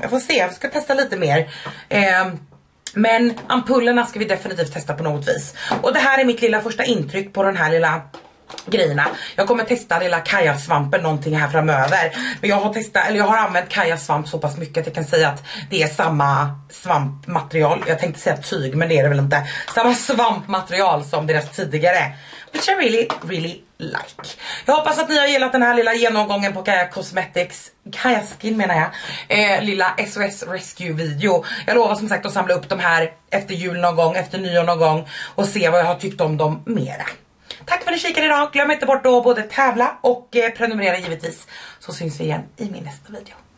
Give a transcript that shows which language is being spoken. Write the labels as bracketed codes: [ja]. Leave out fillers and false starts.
[sv] Jag får se, jag ska testa lite mer. Men ampullerna ska vi definitivt testa på något vis. Och det här är mitt lilla första intryck på den här lilla grejerna. Jag kommer testa lilla kajasvampen någonting här framöver. Men jag har testat, eller jag har använt kajasvamp så pass mycket att jag kan säga att det är samma svampmaterial. Jag tänkte säga tyg, men det är det väl inte. Samma svampmaterial som deras tidigare. [en] Which I really, really like. [sv] Jag hoppas att ni har gillat den här lilla genomgången på Kaja Cosmetics. Kaja Skin menar jag. Lilla SOS Rescue video. Jag lovar som sagt att samla upp de här efter jul någon gång, efter nyår någon gång. Och se vad jag har tyckt om dem mera. Tack för att ni kikade idag. Glöm inte bort då både tävla och prenumerera givetvis. Så syns vi igen i min nästa video.